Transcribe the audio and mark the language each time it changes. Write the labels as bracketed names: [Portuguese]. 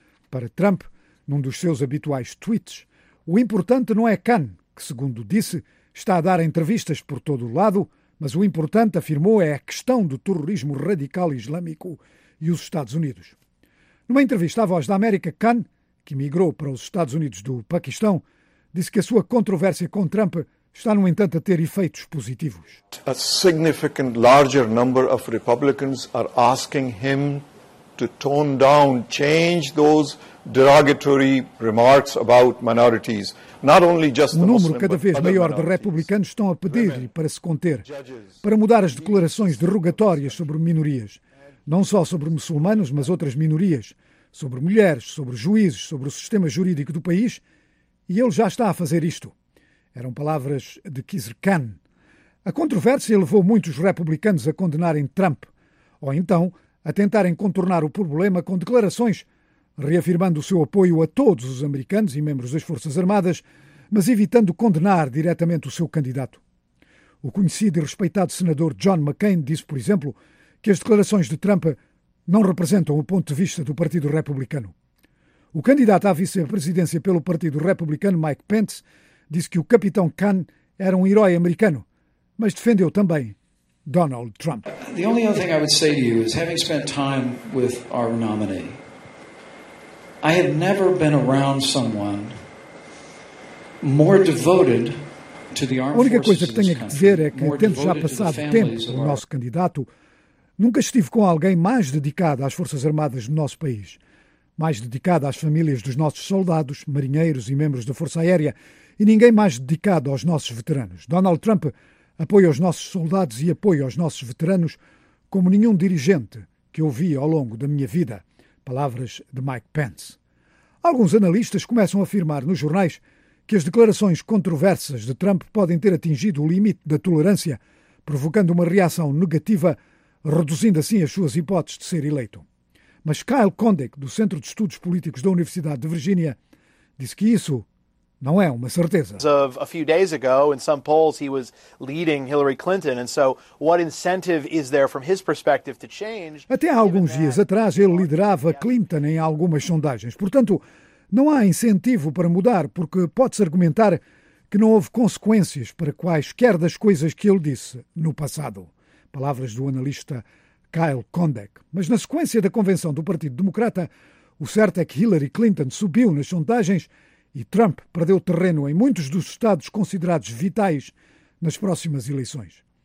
[Portuguese] Para Trump, num dos seus habituais tweets, o importante não é Khan, que, segundo disse, está a dar entrevistas por todo o lado, mas o importante, afirmou, é a questão do terrorismo radical islâmico e os Estados Unidos. Numa entrevista à Voz da América, Khan, que migrou para os Estados Unidos do Paquistão, disse que a sua controvérsia com Trump está, no entanto, a ter efeitos positivos. [English] A significant larger number of Republicans are asking him to tone down, change those derogatory remarks about minorities. Not only just the [Portuguese] Um número cada vez maior de republicanos estão a pedir-lhe para se conter, para mudar as declarações derogatórias sobre minorias, não só sobre muçulmanos, mas outras minorias, sobre mulheres, sobre juízes, sobre o sistema jurídico do país, e ele já está a fazer isto. Eram palavras de Khizr Khan. A controvérsia levou muitos republicanos a condenarem Trump, ou então a tentarem contornar o problema com declarações reafirmando o seu apoio a todos os americanos e membros das Forças Armadas, mas evitando condenar diretamente o seu candidato. O conhecido e respeitado senador John McCain disse, por exemplo, que as declarações de Trump não representam o ponto de vista do Partido Republicano. O candidato à vice-presidência pelo Partido Republicano, Mike Pence, disse que o capitão Khan era um herói americano, mas defendeu também Donald Trump. [English] The only other thing I would say to you is, having spent time with our nominee, I have never been around someone more devoted to the armed [Portuguese] A única coisa que tenho a dizer é que, tendo já passado tempo com o nosso candidato, nunca estive com alguém mais dedicado às Forças Armadas do nosso país, mais dedicado às famílias dos nossos soldados, marinheiros e membros da Força Aérea, e ninguém mais dedicado aos nossos veteranos. Donald Trump apoia os nossos soldados e apoia os nossos veteranos como nenhum dirigente que eu vi ao longo da minha vida. Palavras de Mike Pence. Alguns analistas começam a afirmar nos jornais que as declarações controversas de Trump podem ter atingido o limite da tolerância, provocando uma reação negativa, reduzindo assim as suas hipóteses de ser eleito. Mas Kyle Condick, do Centro de Estudos Políticos da Universidade de Virgínia, disse que isso não é uma certeza. [English] A few days ago, in some polls, he was leading Hillary Clinton. And so, what incentive is there from his perspective to change? [Portuguese] Até há alguns dias atrás, ele liderava Clinton em algumas sondagens. Portanto, não há incentivo para mudar, porque pode-se argumentar que não houve consequências para quaisquer das coisas que ele disse no passado. Palavras do analista Kyle Condack. Mas na sequência da convenção do Partido Democrata, o certo é que Hillary Clinton subiu nas sondagens e Trump perdeu terreno em muitos dos estados considerados vitais nas próximas eleições.